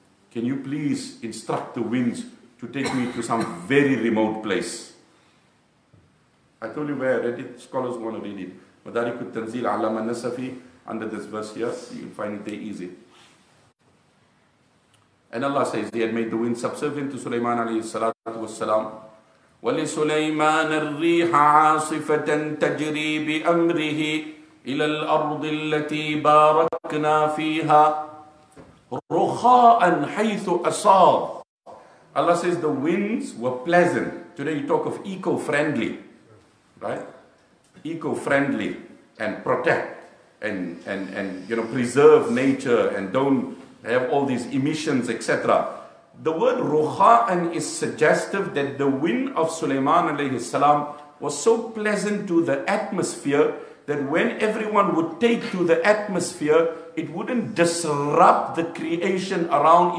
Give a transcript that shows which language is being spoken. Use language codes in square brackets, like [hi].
[en] Can you please instruct the winds to take me to some very remote place? I told you where I read it, scholars want to read it. Madarikut Tanzeel Allama Nasafi, under this verse here, you'll find it very easy. And Allah says he had made the wind subservient to Sulaiman alayhi salatu wasalam. [ar] ولسليمان الريح عاصفة تجري بأمره إلى الأرض التي باركنا فيها رخاء حيث أصاب. [en] Allah says the winds were pleasant. Today you talk of eco-friendly, right? Eco-friendly and protect and you know, preserve nature and don't have all these emissions, etc. The word ruha'an is suggestive that the wind of Sulaiman alayhi salam was so pleasant to the atmosphere that when everyone would take to the atmosphere, it wouldn't disrupt the creation around.